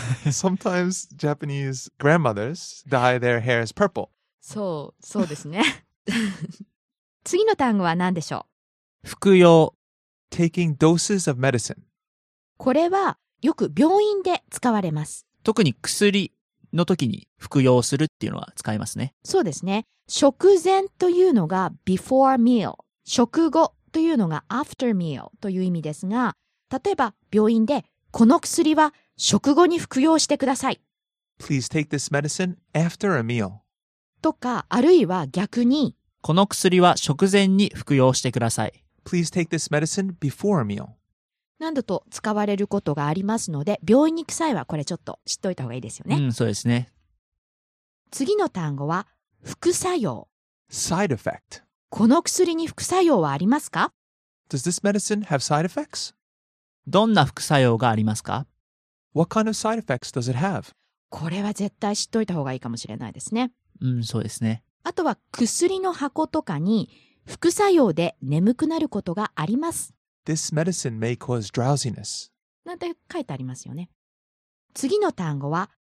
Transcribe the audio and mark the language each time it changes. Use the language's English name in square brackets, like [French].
[English] Sometimes Japanese grandmothers dye their hair as purple. [Japanese] そう、そうですね。次の単語は何でしょう？服用。 [English] Taking doses of medicine. [Japanese] これはよく病院で使われます。特に薬の時に服用するっていうのは使いますね。そうですね。食前というのが [English] before meal、 [Japanese] 食後というのが [English] after meal [Japanese] という意味ですが、例えば病院でこの薬は食後に服用してください。 [English] Please take this medicine after a meal [Japanese] とか、あるいは逆にこの薬は食前に服用してください。 [English] Please take this medicine before a meal [Japanese] などと使われることがありますので、病院に行く際はこれちょっと知っておいた方がいいですよね。うん、そうですね。次の単語は副作用。 [English] Side effect。 [Japanese] この薬に副作用はありますか？ [English] Does this medicine have side effects? [Japanese] どんな副作用がありますか？ [English] What kind of side effects does it have? [Japanese] これは絶対知っておいた方がいいかもしれないですね。うん、そうですね。あとは薬の箱とかに副作用で眠くなることがあります。 [English] This medicine may cause drowsiness. [Japanese] なんて書いてありますよね。次の単語は